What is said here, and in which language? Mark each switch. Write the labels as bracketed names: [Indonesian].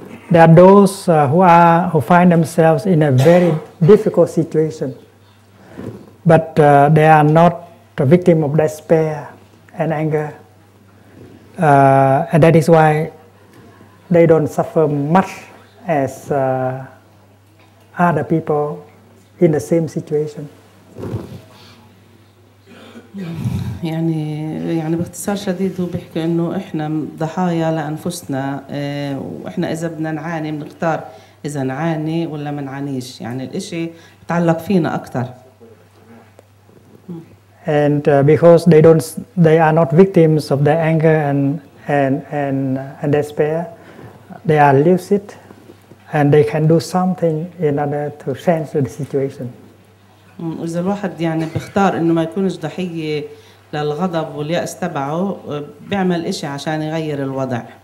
[English] There are those who find themselves in a very difficult situation, but they are not the victim of despair and anger. And that is why they don't suffer much as other people in the same situation. [Arabic] يعني باختصار شديد هو بيحكي انه احنا ضحايا لانفسنا واحنا اذا بدنا نعاني بنختار اذا نعاني ولا ما نعانيش يعني الاشي بتعلق فينا اكثر. [English] And because they are not victims of their anger and despair, they are lucid and they can do something in order to change the situation. [Arabic] وإذا الواحد يعني بيختار إنه ما يكونش ضحية للغضب واليأس تبعه بيعمل إشي عشان يغير الوضع.